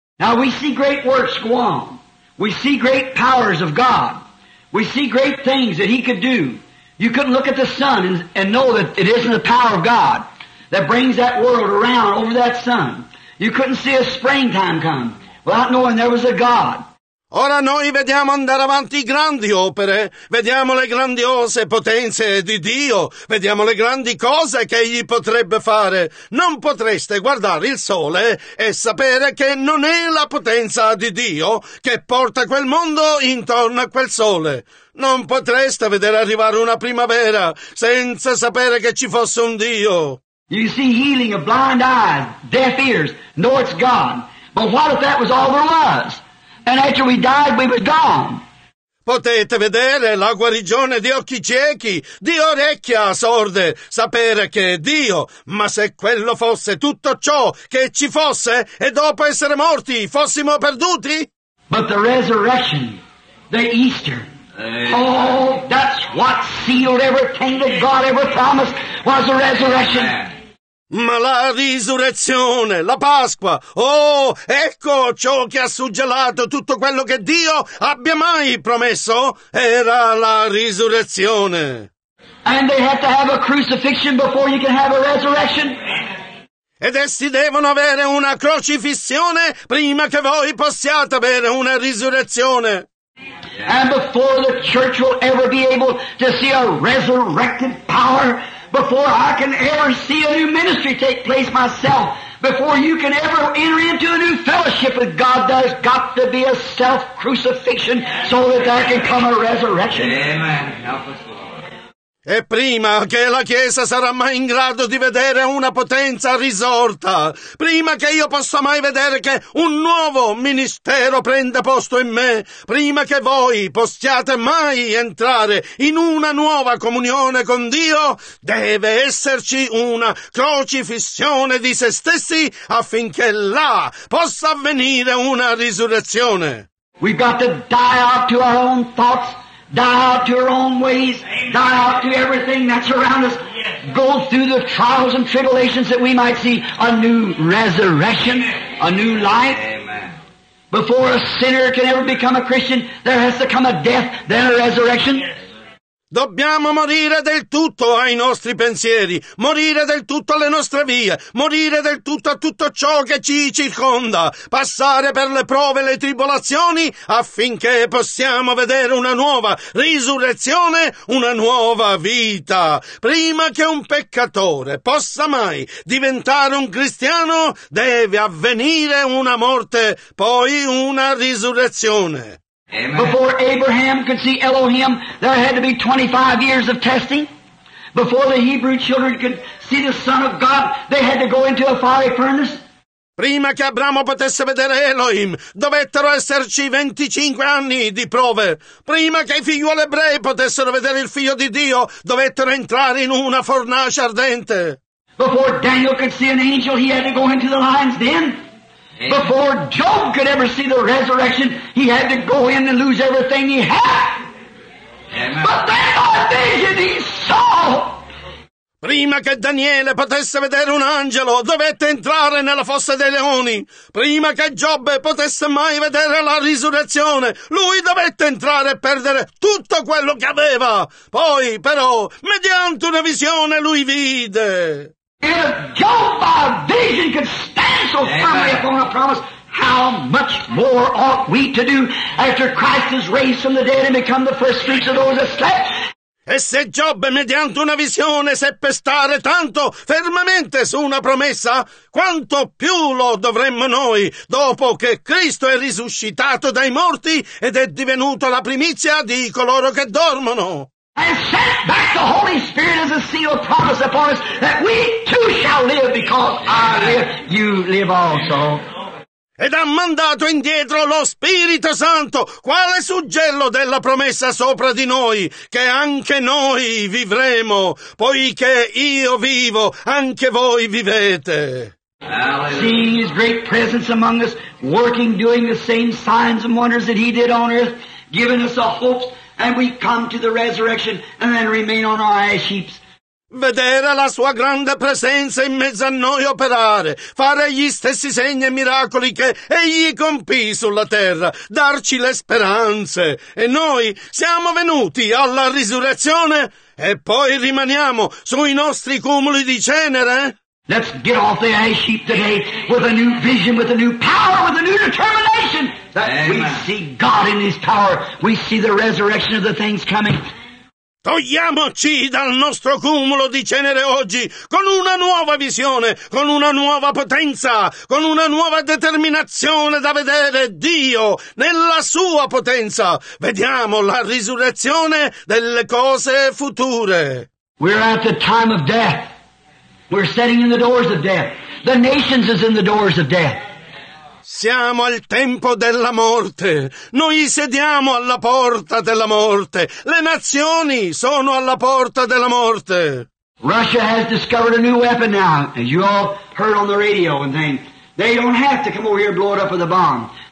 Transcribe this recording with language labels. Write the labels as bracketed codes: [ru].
[en] Now we see great works go on. We see great powers of God. We see great things that he could do. You could look at the sun and know that it isn't the power of God that brings that world around over that sun. You couldn't see a springtime come without knowing there was a God. [it] Ora noi vediamo andare avanti grandi opere, vediamo le grandiose potenze di Dio, vediamo le grandi cose che egli potrebbe fare. Non potreste guardare il sole e sapere che non è la potenza di Dio che porta quel mondo intorno a quel sole. Non potreste vedere arrivare una primavera senza sapere che ci fosse un Dio. [en] You see healing of blind eyes, deaf ears, know it's God. But what if that was all there was? And after we died, we were gone. [it] Potete vedere la guarigione di occhi ciechi, di orecchie sorde, sapere che è Dio. Ma se quello fosse tutto ciò che ci fosse, e dopo essere morti, fossimo perduti? [en] But the resurrection, the Easter. Oh, that's what sealed every thing that God ever promised was the resurrection. [it] Ma la risurrezione, la Pasqua, oh, ecco ciò che ha suggellato tutto quello che Dio abbia mai promesso, era la risurrezione. [en] And they have to have a crucifixion before you can have a resurrection. [it] Ed essi devono avere una crocifissione prima che voi possiate avere una risurrezione. [en] And before the church will ever be able to see a resurrected power, before I can ever see a new ministry take place myself, before you can ever enter into a new fellowship with God, there's got to be a self-crucifixion so that there can come a resurrection. Amen. Help us. [it] E prima che la Chiesa sarà mai in grado di vedere una potenza risorta, prima che io possa mai vedere che un nuovo ministero prenda posto in me, prima che voi possiate mai entrare in una nuova comunione con Dio, deve esserci una crocifissione di se stessi affinché là possa avvenire una risurrezione. [en] We've got to die out to our own thoughts. Die out to your own ways. Die out to everything that's around us. Go through the trials and tribulations that we might see a new resurrection, a new life. Before a sinner can ever become a Christian, there has to come a death, then a resurrection. [it] Dobbiamo morire del tutto ai nostri pensieri, morire del tutto alle nostre vie, morire del tutto a tutto ciò che ci circonda, passare per le prove e le tribolazioni affinché possiamo vedere una nuova risurrezione, una nuova vita. Prima che un peccatore possa mai diventare un cristiano, deve avvenire una morte, poi una risurrezione. [en] Amen. Before Abraham could see Elohim, there had to be 25 years of testing. Before the Hebrew children could see the Son of God, they had to go into a fiery furnace. [it] Prima che Abramo potesse vedere Elohim, dovettero esserci 25 anni di prove. Prima che i figlioli ebrei potessero vedere il Figlio di Dio, dovettero entrare in una fornace ardente. [en] Before Daniel could see an angel, he had to go into the lion's den. Before Job could ever see the resurrection, he had to go in and lose everything he had. Amen. But then a vision he saw. [it] Prima che Daniele potesse vedere un angelo, dovette entrare nella fossa dei leoni. Prima che Giobbe potesse mai vedere la risurrezione, lui dovette entrare e perdere tutto quello che aveva. Poi, però, mediante una visione, lui vide. [en] And if Job by vision could stand so firmly upon a promise, how much more ought we to do after Christ is raised from the dead and become the first fruits of those that slept? [it] E se Giobbe, mediante una visione, seppe stare tanto fermamente su una promessa, quanto più lo dovremmo noi, dopo che Cristo è risuscitato dai morti ed è divenuto la primizia di coloro che dormono. [en] And sent back the Holy Spirit as a seal of promise upon us that we too shall live because I live, you live also. [it] Ed ha mandato indietro lo Spirito Santo, quale suggello della promessa sopra di noi, che anche noi vivremo, poiché io vivo, anche voi vivete. [en] Seeing his great presence among us, working, doing the same signs and wonders that he did on earth, giving us a hope. And we come to the resurrection and then remain on our ash heaps. [it] Vedere la sua grande presenza in mezzo a noi operare, fare gli stessi segni e miracoli che egli compì sulla terra, darci le speranze. E noi siamo venuti alla risurrezione e poi rimaniamo sui nostri cumuli di cenere. [en] Let's get off the ash heap today with a new vision, with a new power, with a new determination. Amen. We see God in His power. We see the resurrection of the things coming. [it] Togliamoci dal nostro cumulo di cenere oggi con una nuova visione, con una nuova potenza, con una nuova determinazione da vedere Dio nella sua potenza. Vediamo la risurrezione delle cose future. [en] We're at the time of death. We're sitting in the doors of death. The nations is in the doors of death. [it] Siamo al tempo della morte. Noi sediamo alla porta della morte. Le nazioni sono alla porta della morte. [en] Russia has discovered a new weapon now, as you all heard on the radio and things. They don't have to come over here and blow it up with a bomb.